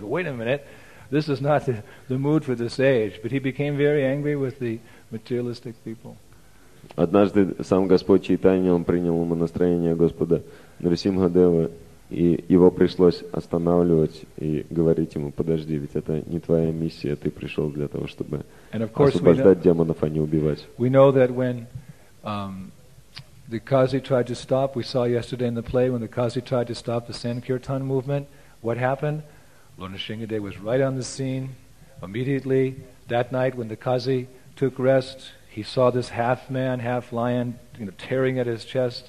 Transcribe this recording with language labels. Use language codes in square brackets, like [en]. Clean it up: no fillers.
[en] Wait a minute, this is not the mood for this age. But he became very angry with the materialistic people. [ru] Однажды сам Господь Чайтанья, он принял умонастроение Господа Нрисимхадева, и его пришлось останавливать и говорить ему, подожди, ведь это не твоя миссия, ты пришел для того, чтобы освобождать демонов, а не убивать. [en] We know that when the Kazi tried to stop, we saw yesterday in the play, when the Kazi tried to stop the Sankirtan movement, what happened? Lord Nrisimhadev was right on the scene immediately. That night when the Kazi took rest, he saw this half man, half lion, you know, tearing at his chest.